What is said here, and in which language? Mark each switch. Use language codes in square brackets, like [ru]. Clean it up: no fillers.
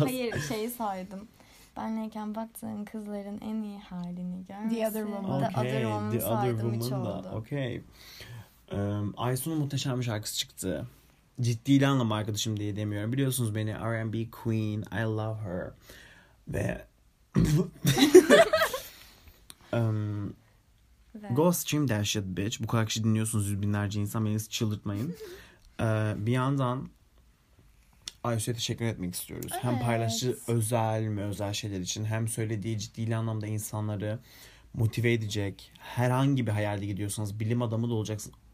[tr] Hayır şeyi saydım. Benleyken baktığın kızların en iyi halini görmesin. The Other Woman'ı saydım, hiç oldu. [en] Okay. [tr] Aysu'nun muhteşem bir şarkısı çıktı. Ciddiyle anlamı arkadaşım diye demiyorum. Biliyorsunuz beni, R&B Queen. [en] I love her. Ve go stream that shit bitch. [tr] Bu kadar kişi dinliyorsunuz, yüz binlerce insan. Beni çıldırtmayın. bir yandan Aysu'ya teşekkür etmek istiyoruz. Evet. Hem paylaştığı özel mi özel şeyler için, hem söylediği ciddi anlamda insanları motive edecek, herhangi bir hayalde gidiyorsanız, bilim adamı da olacaksın.